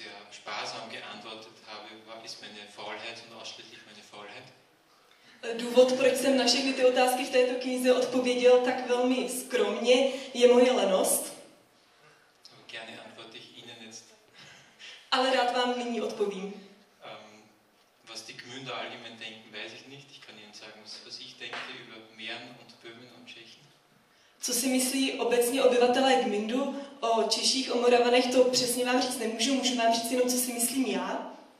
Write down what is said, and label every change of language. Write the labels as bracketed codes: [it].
[de] Sparsam geantwortet habe, ist meine Faulheit und ausschließlich meine Faulheit. [cs] Důvod, proč jsem na všechny ty otázky v této knize odpověděl tak velmi skromně, je moje lenost. [de] Gerne antworte ich Ihnen jetzt. [cs] Ale rád vám nyní odpovím. [de] Was die Gmünder allgemein denken, weiß ich nicht. Ich kann Ihnen sagen, was ich denke über Mähren und Böhmen und Tschechien. [cs] Co si myslí obecně obyvatelé Gmindu o Češích, o Moravanech, to přesně vám říct nemůžu, můžu vám říct jenom, co si myslím já.